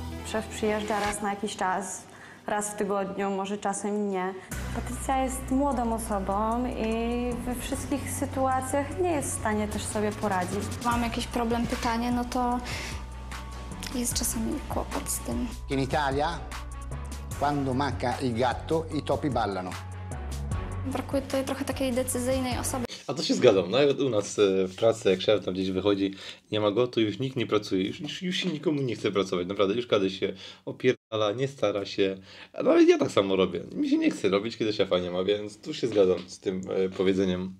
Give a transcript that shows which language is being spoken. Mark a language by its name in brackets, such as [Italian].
[Polish] Szef przyjeżdża raz na jakiś czas, raz w tygodniu, może czasem nie. Patrycja jest młodą osobą i we wszystkich sytuacjach nie jest w stanie też sobie poradzić. Mam jakiś problem, pytanie, no to jest czasami kłopot z tym. [Italian] In Italia, quando manca il gatto, i topi ballano. [Polish] Brakuje tutaj trochę takiej decyzyjnej osoby. A to się zgadzam. Nawet u nas w pracy, jak szef tam gdzieś wychodzi, nie ma go, to już nikt nie pracuje. Już się nikomu nie chce pracować. Naprawdę, już każdy się opierdala, nie stara się. Nawet ja tak samo robię. Mi się nie chce robić, kiedy szefa nie ma, więc tu się zgadzam z tym powiedzeniem.